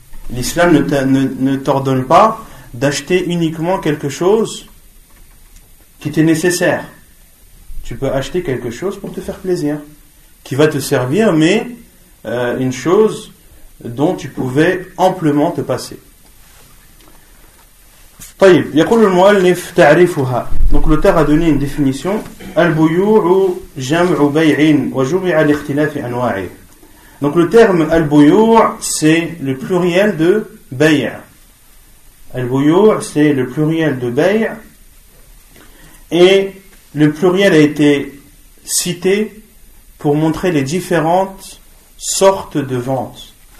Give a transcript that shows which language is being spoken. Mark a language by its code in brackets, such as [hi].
[fr] L'islam ne t'ordonne pas d'acheter uniquement quelque chose qui t'est nécessaire. Tu peux acheter quelque chose pour te faire plaisir, qui va te servir, mais une chose dont tu pouvais amplement te passer. [ar] طيب يقول المؤلف تعريفها. [fr] Donc l'auteur a donné une définition. [ar] Al-buyu'u jam'u bay'in wa jumi'a l'ikhtilaf anwa'i. [fr] Donc le terme al-buyu' c'est le pluriel de bay'. Al-buyu' c'est le pluriel de bay'. Et le pluriel a été cité pour montrer les différentes sortes de ventes.